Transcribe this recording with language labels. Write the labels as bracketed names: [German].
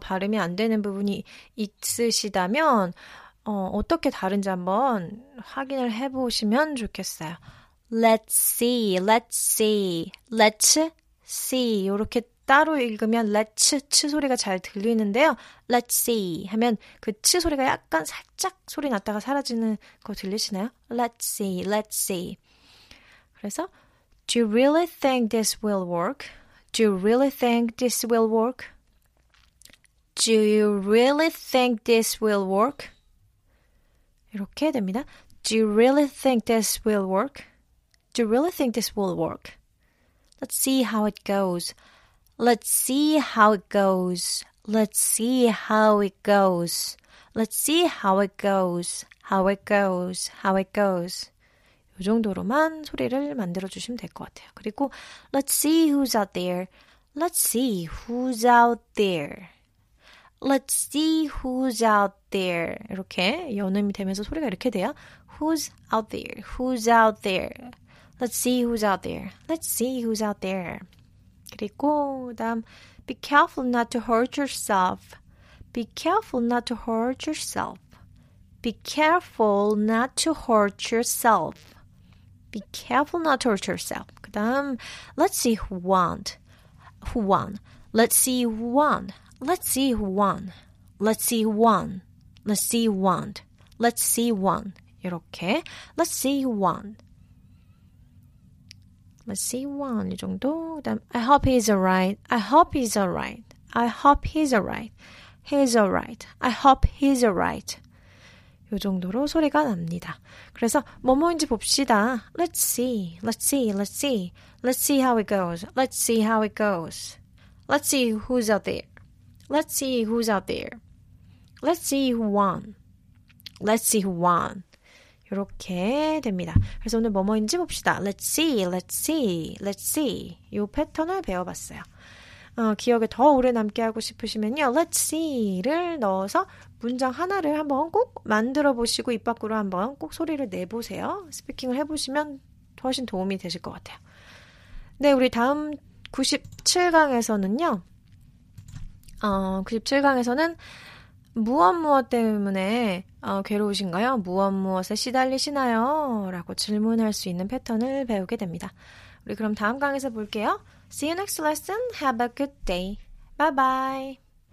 [Korean] 발음이 안 되는 부분이 있으시다면 어떻게 다른지 한번 확인을 해보시면 좋겠어요. [English] Let's see, let's see, let's see [Korean] 이렇게 따로 읽으면 let's, 치 소리가 잘 들리는데요. [English] Let's see [Korean] 하면 그 치 소리가 약간 살짝 소리 났다가 사라지는 거 들리시나요? [English] Let's see, let's see. [Korean] 그래서 [English] Do you really think this will work? Do you really think this will work? Do you really think this will work? [Korean] 이렇게 됩니다. [English] Do you really think this will work? Do you really think this will work? Let's see how it goes. Let's see how it goes. Let's see how it goes. Let's see how it goes. How it goes. How it goes. [Korean] 이 정도로만 소리를 만들어주시면 될 것 같아요. 그리고 [English] Let's see who's out there. Let's see who's out there. Let's see who's out there. [Korean] 이렇게 연음이 되면서 소리가 이렇게 돼요. [English] Who's out there? Who's out there? Let's see who's out there. Let's see who's out there. [Korean] 그리고 다음 [English] Be careful not to hurt yourself. Be careful not to hurt yourself. Be careful not to hurt yourself. Be careful not to hurt yourself. [Korean] 그 다음, [English] let's see who won. Who won. Let's see who won. Let's see who won. Let's see who won. Let's see who won. Let's see who won. [Korean] 이렇게. [English] Let's see who won. Let's see who won. [Korean] 이 정도. 그 다음, [English] I hope he's alright. I hope he's alright. I hope he's alright. He's alright. I hope he's alright. [Korean] 이 정도로 소리가 납니다. 그래서 뭐뭐인지 봅시다. [English] Let's see, let's see, let's see. Let's see how it goes. Let's see how it goes. Let's see who's out there. Let's see who's out there. Let's see who won. Let's see who won. [Korean] 이렇게 됩니다. 그래서 오늘 뭐뭐인지 봅시다. [English] Let's see, let's see, let's see. [Korean] 이 패턴을 배워봤어요. 기억에 더 오래 남게 하고 싶으시면요. [English] Let's see [Korean] 를 넣어서 문장 하나를 한번 꼭 만들어보시고 입 밖으로 한번 꼭 소리를 내보세요. 스피킹을 해보시면 훨씬 도움이 되실 것 같아요. 네, 우리 다음 97강에서는요. 97강에서는 무엇무엇 때문에 괴로우신가요? 무엇무엇에 시달리시나요? 라고 질문할 수 있는 패턴을 배우게 됩니다. 우리 그럼 다음 강에서 볼게요. [English] See you next lesson. Have a good day. Bye bye.